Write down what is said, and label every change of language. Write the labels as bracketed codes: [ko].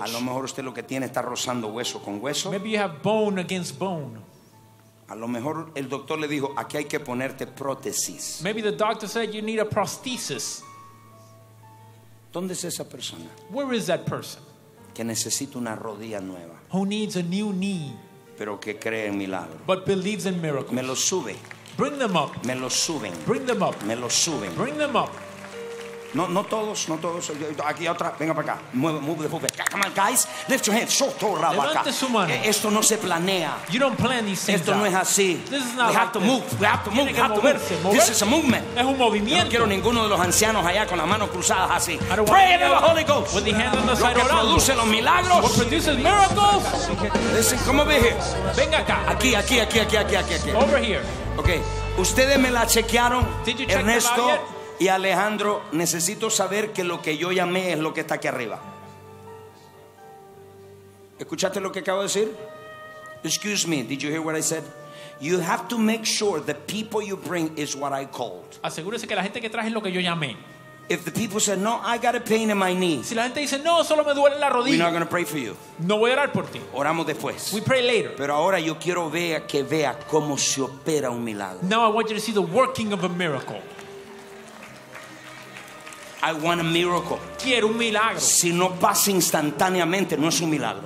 [es] A lo mejor usted lo que tiene está rozando hueso con hueso. [en] Maybe you have bone against bone. [es] A lo mejor el doctor le dijo, aquí hay que ponerte prótesis. [en] Maybe the doctor said you need a prosthesis. [es] ¿Dónde es esa persona? [en] Where is that person? [es] Que necesita una rodilla nueva. [en] Who needs a new knee? [es] Pero que cree en milagros. [en] But believes in miracles. [es] Me lo sube. [en] Bring them up. [es] Me lo suben. [en] Bring them up. [es] Me lo suben. [en] Bring them up. [es] No, no todos, no todos. Aquí otra, venga para acá. [en] Move the foot. Come on, guys. Lift your hands. [es] Shoto rabaka. Levante su mano. Esto no se planea. [en] You don't plan these things. [es] Esto no es así. [en] This is not. We have to move. We have to move. We have to [es] moverse. [en] This is a movement. [es] Es un movimiento. No quiero ninguno de los ancianos allá con las manos cruzadas así. [en] Pray in the Holy Ghost. With the hands on the side. [es] Lo que produce los milagros. [en] What produces miracles. Listen, come over here. [es] Venga acá. Aquí, aquí, aquí, aquí, aquí, aquí, aquí. [en] Over here. [es] Okay. Ustedes me la chequearon. [en] Did you check Ernesto? [es] Y Alejandro, necesito saber que lo que yo llamé es lo que está aquí arriba. ¿Escuchaste lo que acabo de decir? [en] Excuse me, did you hear what I said? You have to make sure the people you bring is what I called. [es] Asegúrese que la gente que traje es lo que yo llamé. [en] If the people said, no, I got a pain in my knee. [es] Si la gente dice, no, solo me duele la rodilla. [en] We're not going to pray for you. [es] No voy a orar por ti. Oramos después. [en] We pray later. [es] Pero ahora yo quiero ver que vea cómo se opera un milagro. [en] Now I want you to see the working of a miracle. I want a miracle. [es] Quiero un milagro. Si no pasa instantáneamente, no es un milagro.